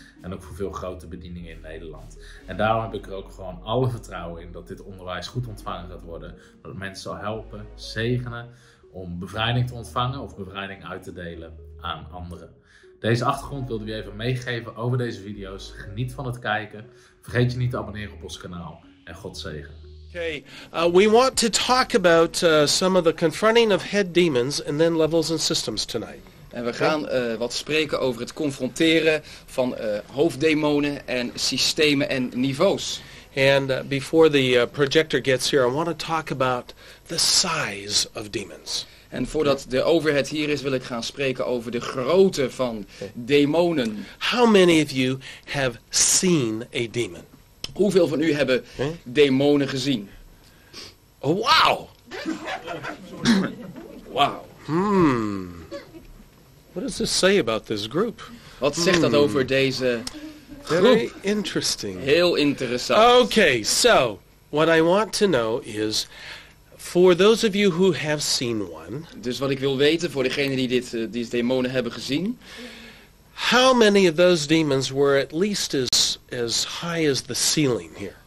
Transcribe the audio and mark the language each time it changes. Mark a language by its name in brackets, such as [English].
[Dutch] En ook voor veel grote bedieningen in Nederland. En daarom heb ik er ook gewoon alle vertrouwen in dat dit onderwijs goed ontvangen gaat worden. Dat het mensen zal helpen, zegenen om bevrijding te ontvangen of bevrijding uit te delen aan anderen. Deze achtergrond wilde ik even meegeven over deze video's. Geniet van het kijken. Vergeet je niet te abonneren op ons kanaal. En God zegen. [English] Okay, we want to talk about some of the confronting of head demons and then levels and systems tonight. [Dutch] En we gaan wat spreken over het confronteren van hoofddemonen en systemen en niveaus. [English] And before the projector gets here, I want to talk about the size of demons. [Dutch] En voordat de overhead hier is, wil ik gaan spreken over de grootte van demonen. [English] How many of you have seen a demon? [Dutch] Hoeveel van u hebben demonen gezien? [English] Oh, wow! Wow. What does this say about this group? [Dutch] Wat zegt dat over deze groep? [English] Very interesting. [Dutch] Heel interessant. [English] Okay, so what I want to know is, for those of you who have seen one. [Dutch] Dus wat ik wil weten voor degenen die dit deze demonen hebben gezien. [English] How many of those demons were at least as high as the ceiling here?